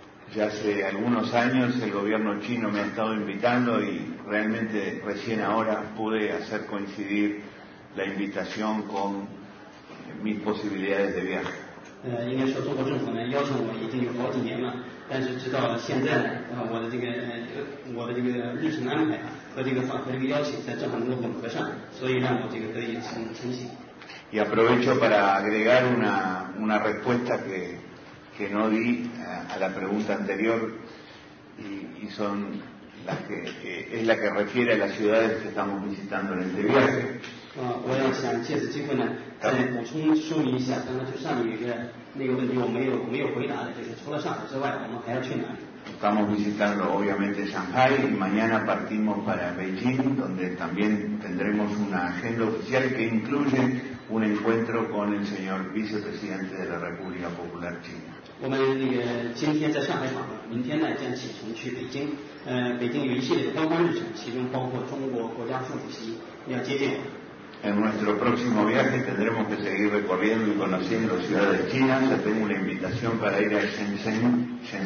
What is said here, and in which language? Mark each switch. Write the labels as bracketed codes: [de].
[es] Ya hace algunos años el gobierno chino me ha estado invitando y realmente recién ahora pude hacer coincidir la invitación con mis posibilidades de viaje. [zh] 应该说中国政府呢邀请我已经有好几年了，但是直到现在我的这个日程安排和这个邀请才正好能够吻合上，所以让我这个得以成行。 [es] Y aprovecho para agregar una respuesta que no di a la pregunta anterior y son las que es la que refiere a las ciudades que estamos visitando en este viaje。 [zh] 我要想借此机会呢，再补充说明一下，刚刚就上面那个问题我没有回答的，就是除了上海之外，我们还要去哪里 [es] ？Estamos visitando obviamente Shanghai y mañana partimos para Beijing, donde también tendremos una agenda oficial que incluye un encuentro con el señor vicepresidente de la República Popular China。 [zh] 我们那个今天在上海访问，明天呢将启程去北京。北京有一系列的观光日程，其中包括中国国家副主席要接见我。 [es] En nuestro próximo viaje tendremos que seguir recorriendo y conociendo ciudades chinas. Ya tengo una invitación para ir a Shenzhen.